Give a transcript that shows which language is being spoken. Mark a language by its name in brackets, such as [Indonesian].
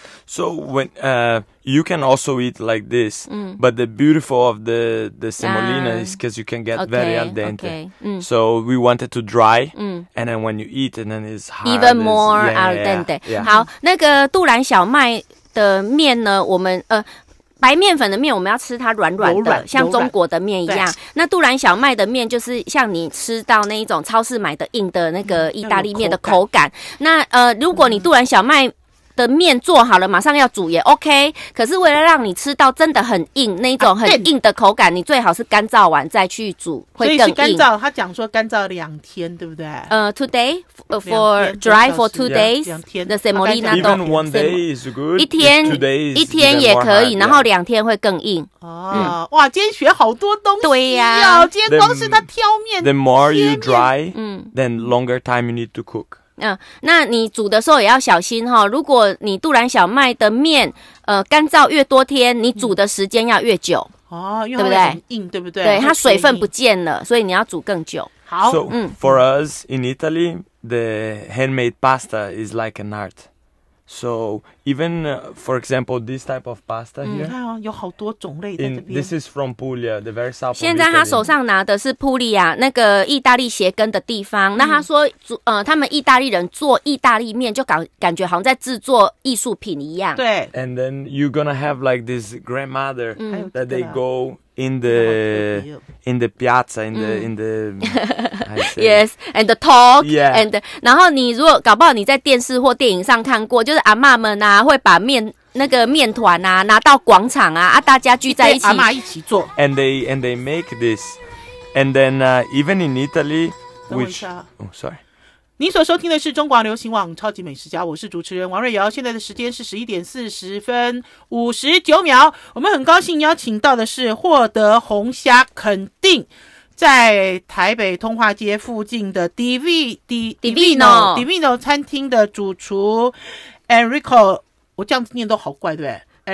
[English] So when you can also eat like this, but the beautiful of the semolina is because you can get very al dente. So we want it to dry, and then when you eat, and then it's hard, even more al dente. [Chinese] 好，那个杜兰小麦。的面呢，我们白面粉的面，我们要吃它软软的，像中国的面一样。那杜兰小麦的面就是像你吃到那一种超市买的硬的那个意大利面的口感。那如果你杜兰小麦的面做好了，马上要煮也 OK。可是为了让你吃到真的很硬那一种很硬的口感，你最好是干燥完再去煮，会更硬。所以是干燥，他讲说干燥两天，对不对？ [English] Today for dry for 2 days， [Chinese] 两天。 [English] The semolina dough even one day is good， [Chinese] 一天 [English] two days [Chinese] 一天也可以，然后两天会更硬。哇，今天学好多东西。对呀，今天光是他挑面。 [English] The more you dry， then longer time you need to cook。 [Chinese] 那你煮的时候也要小心齁，如果你杜兰小麦的面干燥越多天，你煮的时间要越久。对不对？硬，对不对？对，它水分不见了，所以你要煮更久。好， [English] so, for us in Italy, the handmade pasta is like an art. So, even for example, this type of pasta here, [Chinese] 你看有好多种类在这边。 [English] This is from Puglia, the very south of Italy. [Chinese] 现在他手上拿的是 Puglia 那个意大利鞋跟的地方。那他说，他们意大利人做意大利面，就感觉好像在制作艺术品一样。对。 [English] And then you're gonna have like this grandmother that they go in the piazza, in the yes, and the talk, yeah, [Chinese] and 然后你如果搞不好你在电视或电影上看过，就是阿嬷们啊会把面那个面团啊拿到广场啊大家聚在一起，阿嬷一起做 [English] ，and they make this, and then even in Italy, which sorry. [Chinese] 您所收听的是中广流行网超级美食家，我是主持人王瑞瑶，现在的时间是11:40:59，我们很高兴邀请到的是获得红虾肯定在台北通化街附近的 Divino 餐厅的主厨 Enrico， 我这样子念都好怪，对不对？